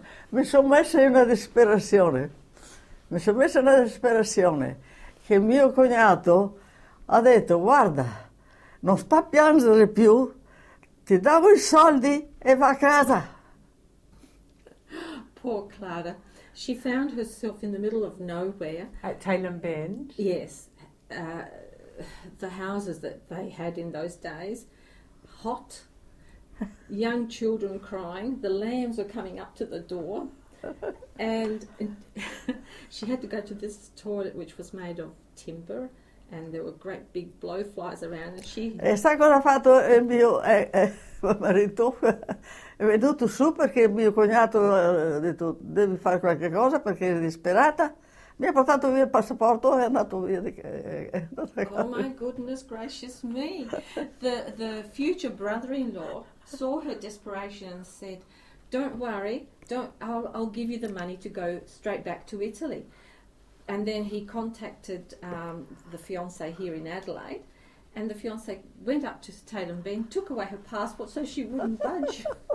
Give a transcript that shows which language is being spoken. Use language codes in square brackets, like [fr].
[it] Mi sono messa in una disperazione, che mio cognato ha detto, guarda, non sta a piangere più, ti davo i soldi e va a casa. [en] Poor Clara. She found herself in the middle of nowhere. At Talon Bend? Yes. The houses that they had in those days, hot, young children crying, the lambs were coming up to the door, and she had to go to this toilet which was made of timber, and there were great big blowflies around, and she... [it] E sai cosa ha fatto il mio marito? È venuto su perché il mio cognato ha detto devi fare qualche cosa perché è disperata. Mi ha portato via il passaporto e è andato via. [en] Oh my goodness gracious me. The future brother-in-law saw her desperation and said, don't worry, I'll give you the money to go straight back to Italy. And then he contacted the fiancé here in Adelaide, and the fiancé went up to Talon Bend, took away her passport so she wouldn't budge.